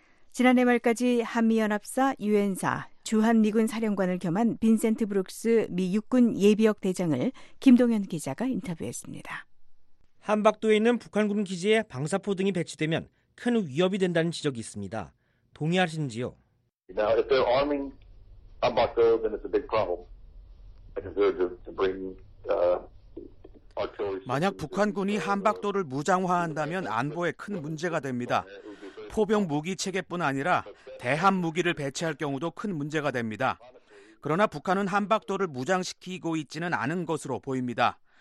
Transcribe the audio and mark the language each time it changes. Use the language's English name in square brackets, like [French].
[Korean] 지난해 말까지 한미연합사, 유엔사, 주한미군 사령관을 겸한 빈센트 브룩스 미 육군 예비역 대장을 김동현 기자가 인터뷰했습니다. 한박도에 있는 북한군 기지에 방사포 등이 배치되면 큰 위협이 된다는 지적이 있습니다. 동의하시는지요? [English] Now, if they're arming Hanbakdo, then it's a big problem. To bring artillery... [Korean] 만약 북한군이 한박도를 무장화한다면 안보에 큰 문제가 됩니다. 포병 무기 체계뿐 아니라 대함 무기를 배치할 경우도 큰 문제가 됩니다. 그러나 북한은 한박도를 무장시키고 있지는 않은 것으로 보입니다.